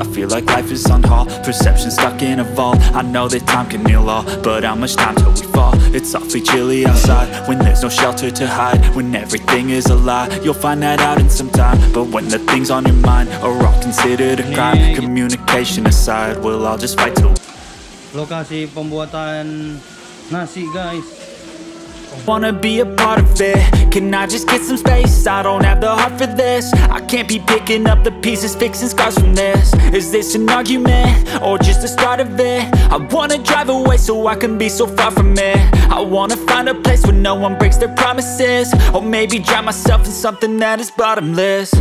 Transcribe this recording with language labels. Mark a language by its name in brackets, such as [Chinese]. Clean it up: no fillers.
[English] I feel like life is on hold. Perception stuck in a vault. I know that time can heal all, but how much time till we fall? It's awfully chilly outside when there's no shelter to hide. When everything is a lie, you'll find that out in some time. But when the things on your mind are all considered a crime, communication aside, we'll all just fight till. [Indonesian] Lokasi pembuatan nasi, guys. [English] Wanna be a part of it? Can I just get some space? I don't have the heart for this. I can't be picking up the pieces, fixing scars from this. Is this an argument or just the start of it? I wanna drive away so I can be so far from it. I wanna find a place where no one breaks their promises, or maybe drown myself in something that is bottomless.